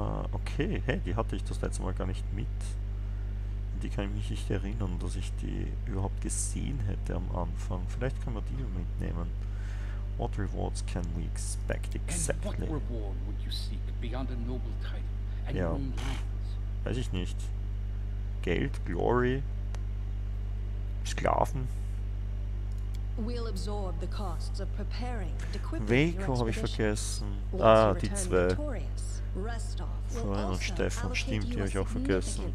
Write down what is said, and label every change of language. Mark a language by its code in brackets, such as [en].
[de] Okay, hey, die hatte ich das letzte Mal gar nicht mit. Die kann ich mich nicht erinnern, dass ich die überhaupt gesehen hätte am Anfang. Vielleicht können wir die mitnehmen. [en] What rewards can we expect exactly? What reward would you seek beyond a noble title? [de] Ja. Weiß ich nicht. Geld, Glory, Sklaven. [en] We'll absorb the costs of preparing and equipping. [de] Veiko habe ich vergessen. Ah, die zwei. Florian und Stefan, stimmt, die habe ich auch vergessen.